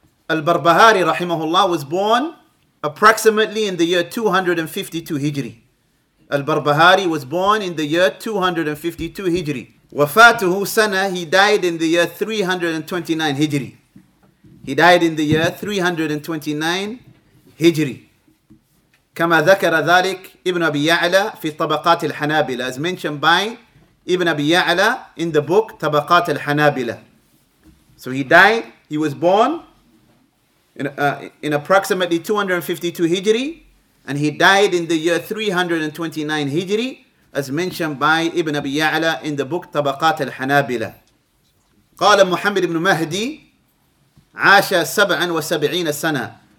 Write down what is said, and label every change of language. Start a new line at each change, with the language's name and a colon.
English: Al-Barbahari rahimahullah was born approximately in the year 252 Hijri. Al-Barbahari was born in the year 252 Hijri.
Arabic: Wafatuhu sana,
English: he died in the year 329 Hijri. He died in the year 329 Hijri.
Arabic: كما ذكر ذلك ابن أبي يعلى في طبقات الحنابلة,
English: as mentioned by
Arabic: ابن أبي يعلى
English: in the book
Arabic: طبقات الحنابلة.
English: So he died, he was born in approximately 252 Hijri, and he died in the year 329 Hijri, as mentioned by ابن أبي يعلى in the book طبقات الحنابلة.
Arabic: قال محمد بن مهدي عاش 77 سنة.